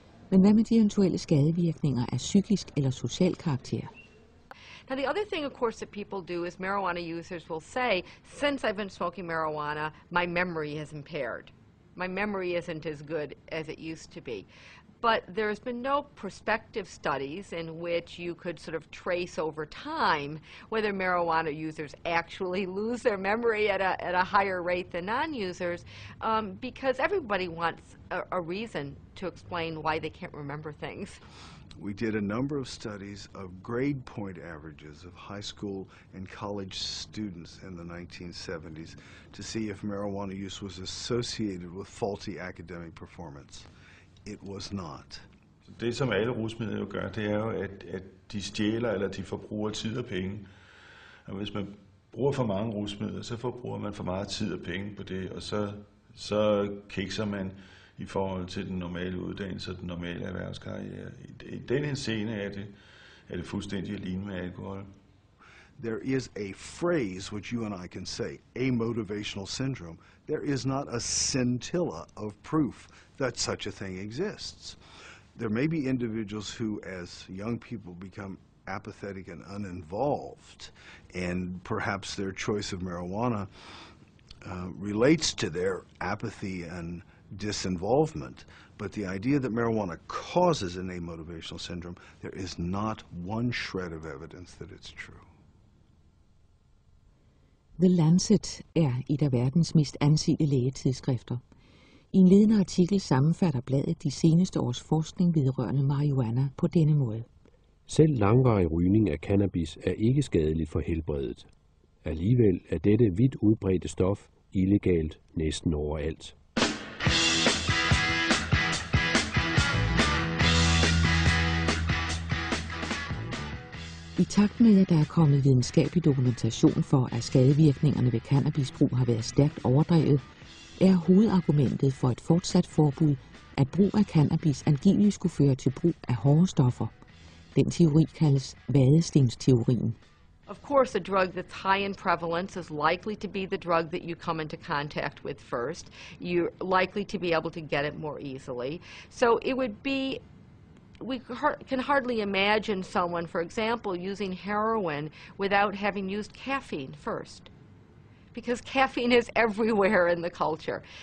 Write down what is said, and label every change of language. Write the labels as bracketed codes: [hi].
[da] Men hvad med de eventuelle skadevirkninger af psykisk eller social karakter? [en] Now the other thing, of course, that people do is marijuana users will say, since I've been smoking marijuana, my memory is impaired. My memory isn't as good as it used to be. But there's been no prospective studies in which you could sort of trace over time whether marijuana users actually lose their memory at a higher rate than non-users, because everybody wants a reason to explain why they can't remember things. We did a number of studies of grade point averages of high school and college students in the 1970s to see if marijuana use was associated with faulty academic performance. It was not. [da] Det, som alle rusmidler jo gør, det er jo, at de stjæler eller de forbruger tid og penge. Og hvis man bruger for mange rusmidler, så forbruger man for meget tid og penge på det, og så kikser man i forhold til den normale uddannelse og den normale erhvervskarriere. I den henseende er det fuldstændig alene med alkohol. [en] There is a phrase which you and I can say, a motivational syndrome. There is not a scintilla of proof that such a thing exists. There may be individuals who, as young people, become apathetic and uninvolved, and perhaps their choice of marijuana relates to their apathy and disinvolvement. But the idea that marijuana causes an amotivational syndrome, there is not one shred of evidence that it's true. [da] The Lancet er et af verdens mest ansete lægetidsskrifter. I en ledende artikel sammenfatter bladet de seneste års forskning vedrørende marijuana på denne måde. Selv langvarig rygning af cannabis er ikke skadeligt for helbredet. Alligevel er dette vidt udbredte stof illegalt næsten overalt. I takt med, at der er kommet videnskabelig dokumentation for, at skadevirkningerne ved cannabisbrug har været stærkt overdrevet, er hovedargumentet for et fortsat forbud, at brug af cannabis angiveligt skulle føre til brug af hårde stoffer. Den teori kaldes vadestensteorien. [en] Of course, a drug that's high in prevalence is likely to be the drug that you come into contact with first. You're likely to be able to get it more easily. So it would be we can hardly imagine someone, for example, using heroin without having used caffeine first, because caffeine is everywhere in the culture.